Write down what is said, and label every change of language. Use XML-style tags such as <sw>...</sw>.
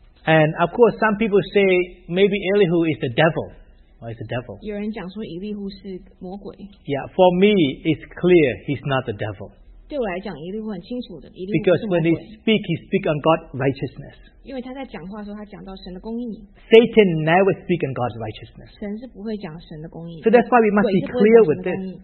<en>And of course, some people say maybe Elihu is the devil. Why is the devil?</en> <zh>有人讲说以利户是魔鬼。</zh> <en>Yeah, for me, it's clear he's not the devil.</en> <zh>对我来讲，以利户很清楚的，以利户是魔鬼。</zh> <en>Because when he speak on God's righteousness.</en> <zh>因为他在讲话的时候，他讲到神的公义。</zh> <en>Satan never speak on God's righteousness.</en> <zh>神是不会讲神的公义。</zh> <en>So that's why we must be clear with this.</en>